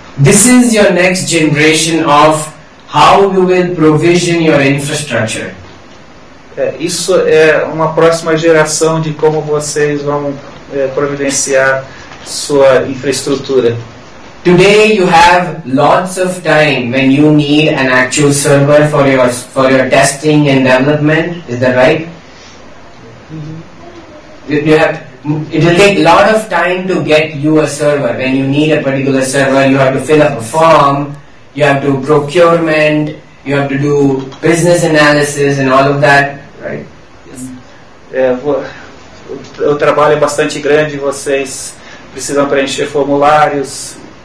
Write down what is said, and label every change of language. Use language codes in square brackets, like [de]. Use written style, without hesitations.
[en] This is your next generation of how you will provision your infrastructure. [pt] Isso é uma próxima geração de como vocês vão providenciar sua infraestrutura. [en] Today you have lots of time when you need an actual server for your testing and development. Is that right? Mm-hmm. It will take a lot of time to get you a server. When you need a particular server, you have to fill up a form, you have to procurement, you have to do business analysis and all of that. [pt] O trabalho é bastante grande, vocês precisam preencher formulários.